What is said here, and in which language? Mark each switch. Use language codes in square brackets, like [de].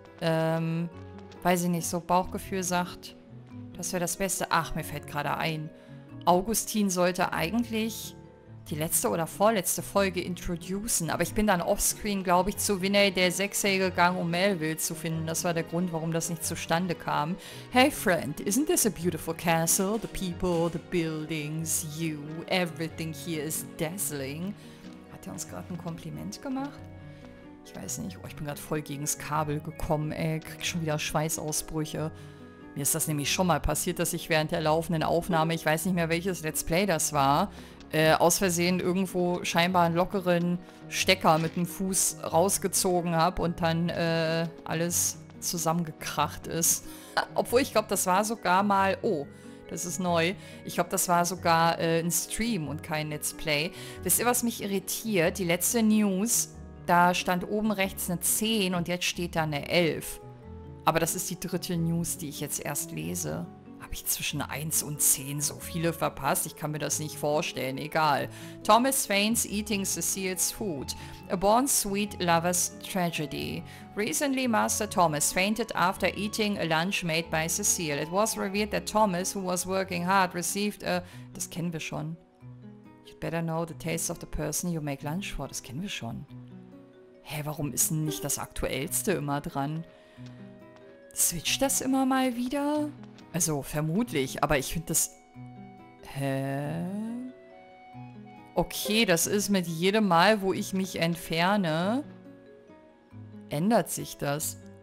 [de] Weiß ich nicht, so Bauchgefühl sagt, das wäre das Beste. Ach, mir fällt gerade ein. Augustin sollte eigentlich die letzte oder vorletzte Folge introducen. Aber ich bin dann offscreen, glaube ich, zu Vinay der Sechse gegangen, um Melville zu finden. Das war der Grund, warum das nicht zustande kam. [en] Hey Friend, isn't this a beautiful castle? The people, the buildings, you, everything here is dazzling. [de] Hat er uns gerade ein Kompliment gemacht? Ich weiß nicht. Oh, ich bin gerade voll gegens Kabel gekommen, ey. Krieg schon wieder Schweißausbrüche. Mir ist das nämlich schon mal passiert, dass ich während der laufenden Aufnahme, ich weiß nicht mehr, welches Let's Play das war, aus Versehen irgendwo scheinbar einen lockeren Stecker mit dem Fuß rausgezogen habe und dann alles zusammengekracht ist. Obwohl, ich glaube, das war sogar mal. Oh, das ist neu. Ich glaube, das war sogar ein Stream und kein Let's Play. Wisst ihr, was mich irritiert? Die letzte News, da stand oben rechts eine 10 und jetzt steht da eine 11. Aber das ist die dritte News, die ich jetzt erst lese. Habe ich zwischen 1 und 10 so viele verpasst? Ich kann mir das nicht vorstellen. Egal. [en] Thomas feigns eating Cecile's food. A born sweet lover's tragedy. Recently, Master Thomas fainted after eating a lunch made by Cecile. It was revealed that Thomas, who was working hard, received a... [de] Das kennen wir schon. [en] You'd better know the taste of the person you make lunch for. [de] Das kennen wir schon. Hä, warum ist denn nicht das Aktuellste immer dran? Switcht das immer mal wieder? Also vermutlich, aber ich finde das... Hä? Okay, das ist mit jedem Mal, wo ich mich entferne, ändert sich das.